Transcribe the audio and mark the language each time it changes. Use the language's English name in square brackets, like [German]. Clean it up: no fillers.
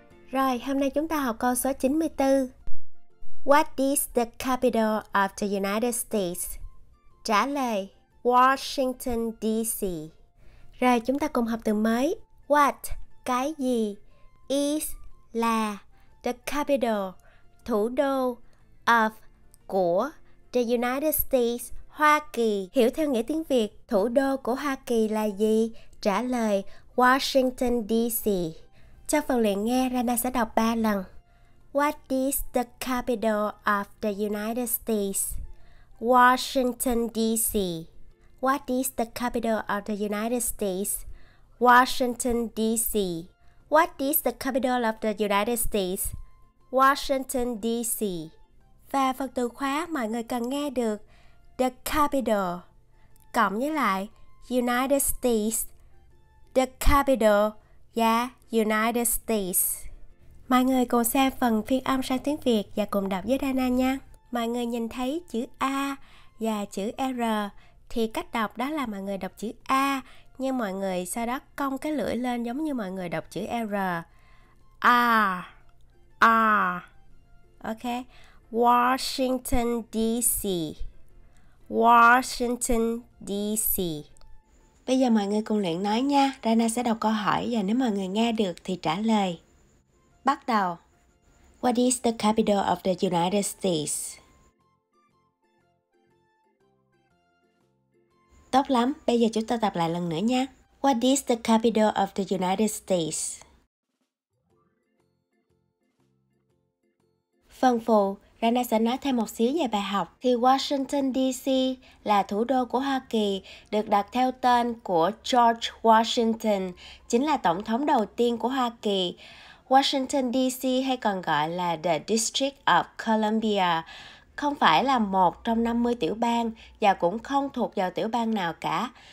[Vietnamese] Rồi, hôm nay chúng ta học câu số 94. [English] What is the capital of the United States? [Vietnamese] Trả lời: Washington DC. Rồi, chúng ta cùng học từ mới. What, cái gì? Is, là. [English] The capital, [Vietnamese] thủ đô. Of, của. [English] The United States, Hoa Kỳ. [Vietnamese] Hiểu theo nghĩa tiếng Việt, thủ đô của Hoa Kỳ là gì? Trả lời: Washington DC. Cho phần luyện nghe, Rana sẽ đọc 3 lần. [English] What is the capital of the United States? Washington DC. What is the capital of the United States? Washington DC. What is the capital of the United States? Washington DC. [Vietnamese] Và phần từ khóa mọi người cần nghe được: [English] the capital [Vietnamese] cộng với lại United States. [English] The capital, yeah, United States. [Vietnamese] Mọi người cùng xem phần phiên âm sang tiếng Việt và cùng đọc với Dana nha. Mọi người nhìn thấy chữ A và chữ R thì cách đọc đó là mọi người đọc chữ A, nhưng mọi người sau đó cong cái lưỡi lên giống như mọi người đọc chữ R. A, A. Ok. [English] Washington DC. Washington DC. [Vietnamese] Bây giờ mọi người cùng luyện nói nha. Rana sẽ đọc câu hỏi và nếu mọi người nghe được thì trả lời. Bắt đầu. [English] What is the capital of the United States? [Vietnamese] Tốt lắm, bây giờ chúng ta tập lại lần nữa nha. [English] What is the capital of the United States? [Vietnamese] Phần phụ, Rana sẽ nói thêm một xíu về bài học. Thì Washington DC là thủ đô của Hoa Kỳ, được đặt theo tên của George Washington, chính là tổng thống đầu tiên của Hoa Kỳ. Washington DC hay còn gọi là The District of Columbia, không phải là một trong 50 tiểu bang và cũng không thuộc vào tiểu bang nào cả.